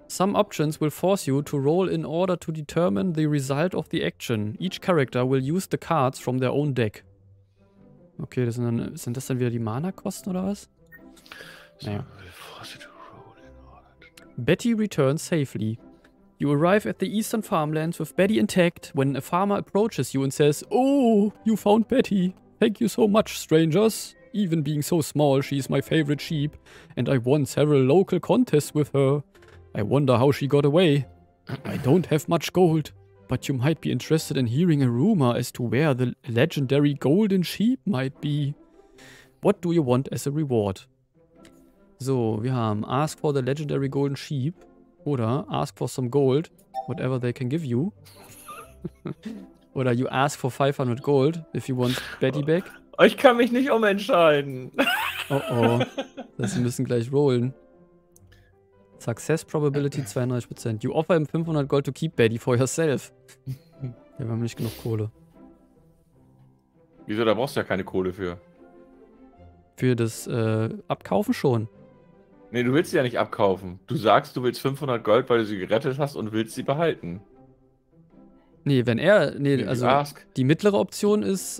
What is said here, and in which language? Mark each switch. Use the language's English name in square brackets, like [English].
[English] Some options will force you to roll in order to determine the result of the action. Each character will use the cards from their own deck. [German] Okay, das sind, dann, sind das dann wieder die Mana-Kosten oder was? Naja. [English] So, will force you to roll in order to... Betty returns safely. You arrive at the Eastern Farmlands with Betty intact when a farmer approaches you and says, "Oh, you found Betty. Thank you so much, strangers. Even being so small, she is my favorite sheep, and I won several local contests with her. I wonder how she got away. I don't have much gold, But you might be interested in hearing a rumor as to where the legendary golden sheep might be. What do you want as a reward? [German] So, wir haben [English] ask for the legendary golden sheep oder ask for some gold, whatever they can give you. Oder you ask for 500 gold if you want Betty back. [German] Ich kann mich nicht umentscheiden. Oh oh, das müssen gleich rollen. [English] Success probability 32%. You offer him 500 gold to keep Betty for yourself. [German] Ja, wir haben nicht genug Kohle. Wieso, da brauchst du ja keine Kohle für. Für das Abkaufen schon. Nee, du willst sie ja nicht abkaufen. Du sagst, du willst 500 Gold, weil du sie gerettet hast und willst sie behalten. Nee, wenn er... Nee, also ask. Die mittlere Option ist...